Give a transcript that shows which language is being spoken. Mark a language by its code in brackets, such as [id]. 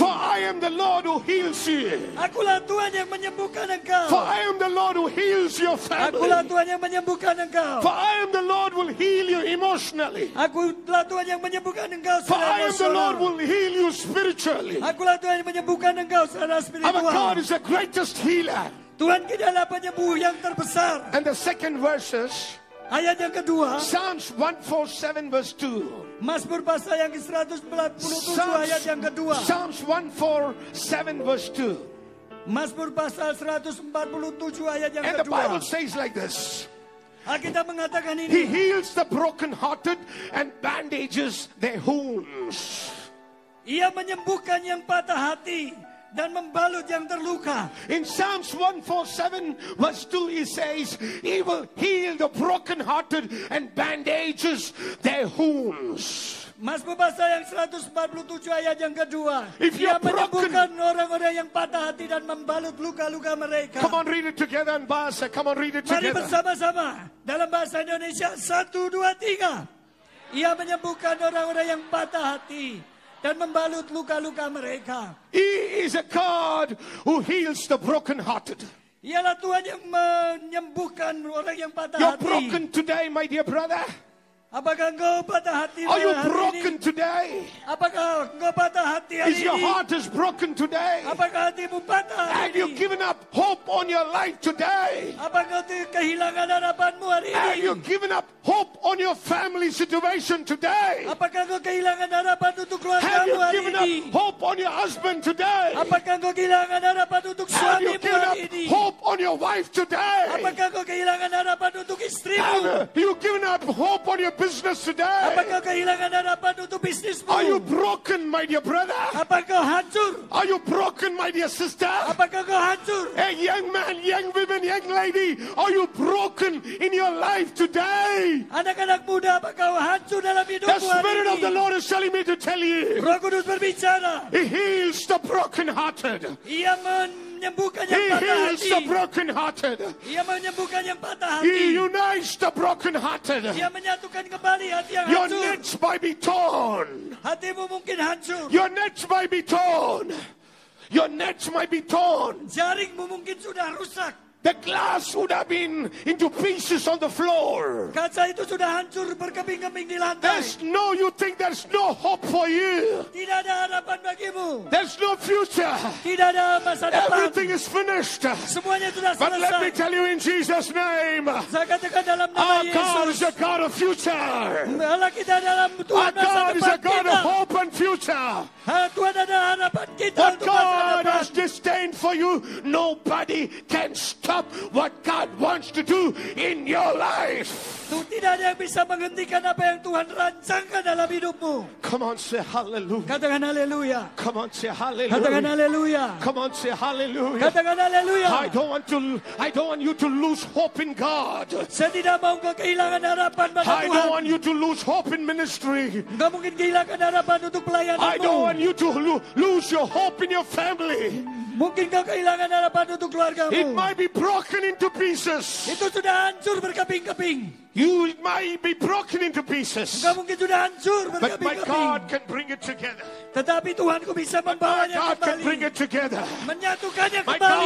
[en] For I am the Lord who heals you. [id] Akulah Tuhan yang menyembuhkan engkau. [en] For I am the Lord who heals your family. [id] Akulah Tuhan yang menyembuhkan engkau. [en] For I am the Lord who will heal you emotionally. [id] Akulah Tuhan yang menyembuhkan engkau secara emosional. [en] For I am the Lord who will heal you spiritually. [id] Akulah Tuhan menyembuhkan engkau secara spiritual. [en] Our God is the greatest healer. [id] Tuhan kita adalah penyembuh yang terbesar. [en] And the second verses. [id] Ayat yang kedua. [en] Psalms 147 verse 2. [id] Mazmur pasal yang ke 147 ayat yang kedua. [en] Psalms 147 verse 2. [id] Mazmur pasal 147 ayat yang [en] and And the Bible says like this. [id] Kita mengatakan ini. [en] He heals the brokenhearted and bandages their wounds. [id] Ia menyembuhkan yang patah hati dan membalut yang terluka. [en] In Psalms 147 verse 2 he says, he will heal the brokenhearted and bandages their wounds. [id] Mazmur pasal yang 147 ayat yang kedua. [en] If [id] ia menyembuhkan [en] broken, [id] orang-orang yang patah hati dan membalut luka-luka mereka. [en] Come on, read it together in bahasa. Come on, read it together. [id] Mari bersama-sama dalam bahasa Indonesia. 1, 2, 3. Ia menyembuhkan orang-orang yang patah hati dan membalut luka-luka mereka. [en] He is a God who heals the brokenhearted. [id] Ialah Tuhan yang menyembuhkan orang yang patah hati. [en] You're broken today, my dear brother. [id] Apakah engkau patah hati hari [en] ini? Are you broken today? [id] Apakah engkau patah hati hari ini? [en] Is your heart is broken today? [id] Apakah hatimu patah hari ini? [en] Have you given up hope on your life today? [id] Apakah kau kehilangan harapanmu hari ini? [en] Have you given up hope on your family situation today? [id] Apakah kau kehilangan harapan untuk keluarga hari ini? [en] Have you given up hope on your husband today? [id] Apakah kau kehilangan harapan untuk suamimu hari ini? [en] Have you given up hope on your wife today? [id] Apakah kau kehilangan harapan untuk istrimu? [en] Have you given up hope on your business today? [id] Apakah kehilangan harapan untuk bisnismu? [en] Are you broken, my dear brother? [id] Apakah hancur? [en] Are you broken, my dear sister? [id] Apakah kau hancur? [en] Hey, young man, young woman, young lady, are you broken in your life today? [id] Anak-anak muda, apakah kau hancur dalam hidupmu hari ini? [en] The Spirit of the Lord is telling me to tell you. [id] Roh Kudus berbicara. [en] He heals the brokenhearted. [id] Ia menyembuhkan yang patah hati. [en] He heals the brokenhearted. [id] Ia menyembuhkan yang patah hati. [en] He unites the brokenhearted. [id] Ia menyatukan kembali hati yang [en] your [id] hancur. [en] Your nets might be torn. [id] Hatimu mungkin hancur. [en] Your nets might be torn. Your nets might be torn. [id] Jaringmu mungkin sudah rusak. [en] The glass would have been into pieces on the floor. [id] Kaca itu sudah hancur berkeping-keping di lantai. [en] There's no, you think there's no hope for you. [id] Tidak ada harapan bagimu. [en] There's no future. [id] Tidak ada masa depan. [en] Everything is finished. [id] Semuanya sudah [en] but [id] selesai. [en] But let me tell you in Jesus' name. [id] Saya katakan dalam nama Yesus. [en] Our God is a God of future. [id] Allah kita dalam Tuhan [en] our [id] masa [en] God [id] depan [en] is a God [id] kita. [en] Of hope and future. [id] Tuhan ada harapan kita [en] what [id] untuk [en] God [id] masa depan. [en] Has disdained for you, nobody can stop what God wants to do in your life. [id] Tuh, tidak ada yang bisa menghentikan apa yang Tuhan rancangkan dalam hidupmu. [en] Come on, say hallelujah. [id] Katakan hallelujah. [en] Come on, say hallelujah. [id] Katakan hallelujah. [en] Come on, say hallelujah. [id] Katakan hallelujah. [en] I don't want you to lose hope in God. [id] Saya tidak mau engkau kehilangan harapan pada Tuhan. [en] I don't want you to lose hope in ministry. [id] Enggak mungkin kehilangan harapan untuk pelayananmu. [en] I don't want you to lose your hope in your family. [id] Mungkin kau kehilangan harapan untuk keluargamu. [en] It might be broken into pieces. [id] Itu sudah hancur berkeping-keping. [en] You might be broken into pieces. [id] Kau mungkin sudah hancur berkeping-keping. [en] But my God can bring it together. [id] Tetapi Tuhanku bisa membawanya kembali. [en] My God can bring it together. [id] Menyatukannya kembali.